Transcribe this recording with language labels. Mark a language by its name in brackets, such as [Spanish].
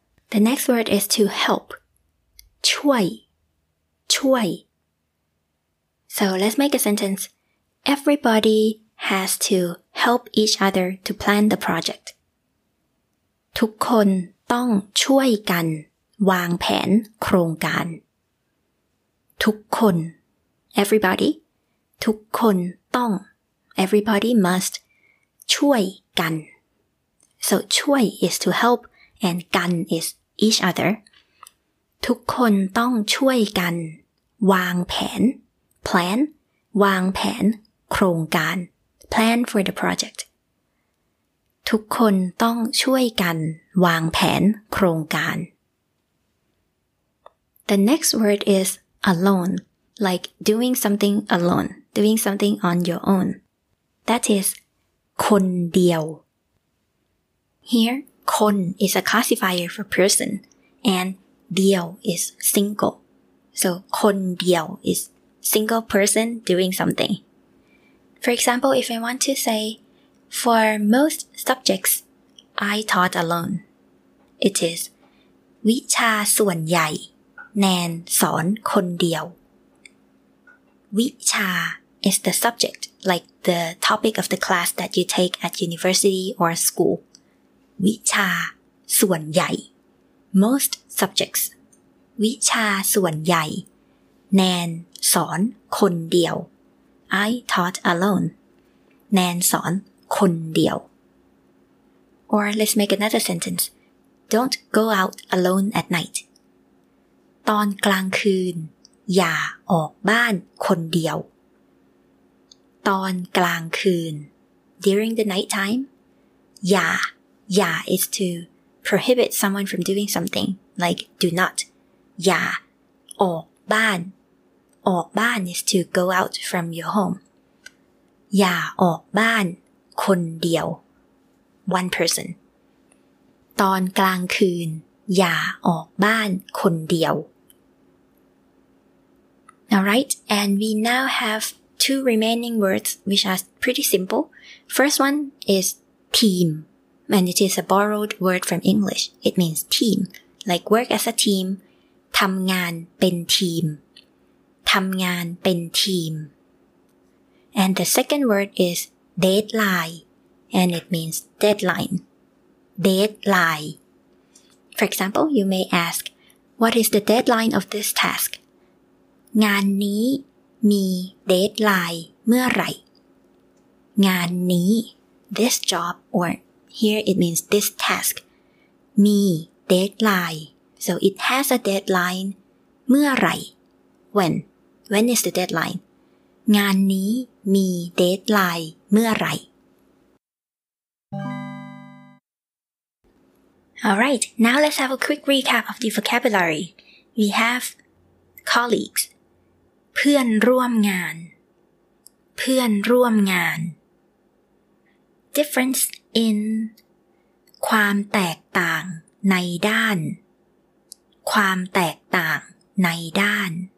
[English] The next word is to help. [Thai] ช่วย ช่วย [English] So let's make a sentence. Everybody has to help each other to plan the project. [Thai] ทุกคนต้องช่วยกันวางแผนโครงการ. ทุกคน [English] Everybody. [Thai] ทุกคนต้อง [English] Everybody must. [Thai] ช่วยกัน. [English] So ช่วย is to help and กัน is each other. [Thai] ทุกคนต้องช่วยกันวางแผนplan วางแผนโครงการ plan for the project ทุกคนต้องช่วยกันวางแผนโครงการ [English] The next word is alone like doing something alone doing something on your own that is คนเดียว Here คน is a classifier for person and เดียว is single so คนเดียว isSingle person doing something. For example, if I want to say, for most subjects, I taught alone. It is, [Thai] วิชาส่วนใหญ่แนนสอนคนเดียว. [English] วิชา is the subject, like the topic of the class that you take at university or school. [Thai] วิชาส่วนใหญ่. [English] Most subjects. [Thai] วิชาส่วนใหญ่แนนสอนคนเดียว [English] I taught alone [Thai] แนนสอนคนเดียว [English] Or let's make another sentence Don't go out alone at night. [Thai] ตอนกลางคืนอย่าออกบ้านคนเดียวตอนกลางคืน [English] During the night time. อย่า is to prohibit someone from doing something. Like do not. [Thai] อย่าออกบ้านออกบ้าน [English] is to go out from your home. [Thai] อย่าออกบ้านคนเดียว [English] One person. [Thai] ตอนกลางคืนอย่าออกบ้านคนเดียว [English] Alright, and we now have two remaining words which are pretty simple. First one is team, and it is a borrowed word from English. It means team, like work as a team, [Thai] ทำงานเป็นทีมทำงานเป็นทีม [English] And the second word is deadline, and it means deadlineDeadline. For example, you may ask, what is the deadline of this task? [Thai] งานนี้มี deadline เมื่อไหร่งานนี้ [English] this job, or here it means this task, [Thai] มี deadline. [English] So it has a deadline [Thai] เมื่อไหร่ [English] When is the deadline? [Thai] งานนี้มี deadline เมื่อไหร่ [English] Alright, now let's have a quick recap of the vocabulary. We have colleagues. [Thai] เพื่อนร่วมงานเพื่อนร่วมงาน [English] Difference in [Thai] ความแตกต่างในด้านความแตกต่างในด้าน